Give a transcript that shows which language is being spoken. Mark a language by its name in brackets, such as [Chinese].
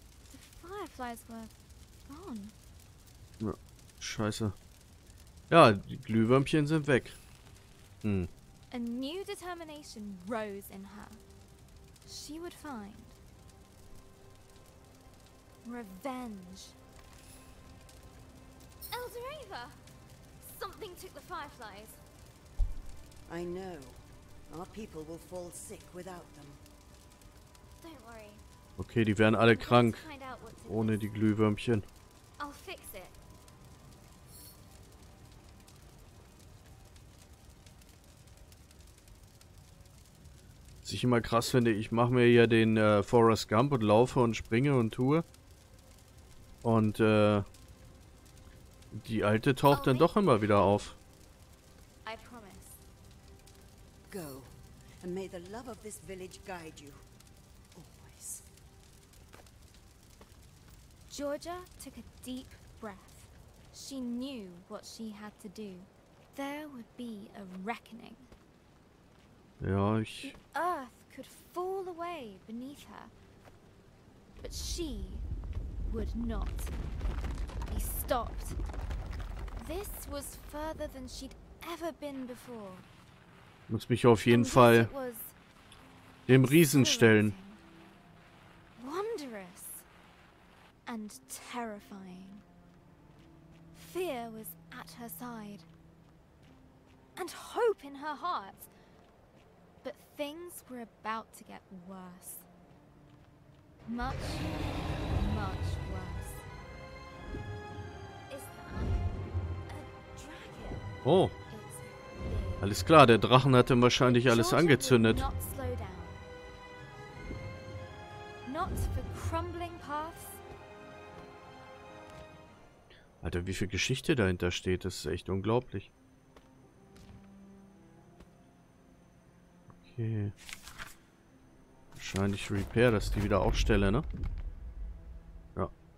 [English] The fireflies were gone. [German] Ja, scheiße. Ja, die Glühwürmchen sind weg. Hm. [English] A new determination rose in her. She would find revenge. Eldereva! Something took the fireflies. I know. Our people will fall sick without them. [German] Okay, die werden alle krank ohne die Glühwürmchen. Was ich immer krass finde, ich mache mir ja den Forrest Gump und laufe und springe und tue. Und die Alte taucht dann doch immer wieder auf. [English] Go and may the love of this village guide you. Georgia took a deep breath. She knew what she had to do. There would be a reckoning. [German] Ja, ich... [English] The earth could fall away beneath her. But she would not be stopped. This was further than she'd ever been before. [German] Ich muss mich auf jeden Fall dem Riesen stellen. [English] Wondrous. And terrifying. Fear was at her side. And hope in her heart. But things were about to get worse. Much, much worse. Is that a dragon? Oh. [German] Alles klar, der Drachen hat ihm wahrscheinlich alles angezündet. [English] Not slow down. Not for crumbling paths. [German] Alter, wie viel Geschichte dahinter steht, das ist echt unglaublich. Okay. Wahrscheinlich Repair, dass die wieder aufstelle, ne? Ja.